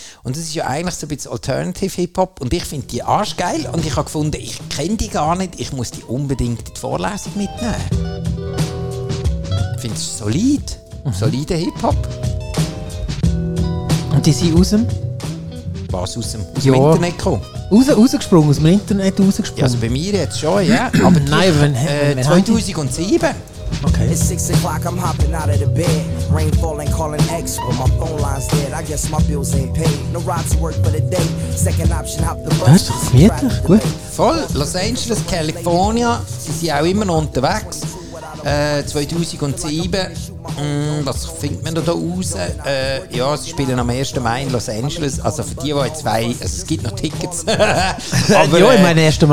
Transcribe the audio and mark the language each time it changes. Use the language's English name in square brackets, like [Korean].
[German] Und das ist ja eigentlich so ein bisschen Alternative Hip-Hop und ich finde die arschgeil und ich habe gefunden, ich kenne die gar nicht, ich muss die unbedingt in die Vorlesung mitnehmen. Findest du solid? Solide Hip-Hop. Und die sind aus dem? Was aus dem? Aus dem Internet gekommen? Rausgesprungen, aus dem Internet rausgesprungen. Ja, also bei mir jetzt schon, ja. Aber nein, wenn 2007. Okay. [English] It's 6 o'clock, I'm hopping out of the bed. Rain falling, calling X, but my phone line's dead. I guess my bills ain't paid. No ride to work for the day. Second option, hop the bus. [German] Voll, Los Angeles, California. Sie sind auch immer noch unterwegs. 2007, was findet man da raus? Ja, sie spielen am 1. Mai in Los Angeles, also für die, die jetzt weinen, also es gibt noch Tickets. Aber, ja, ich meine, 1.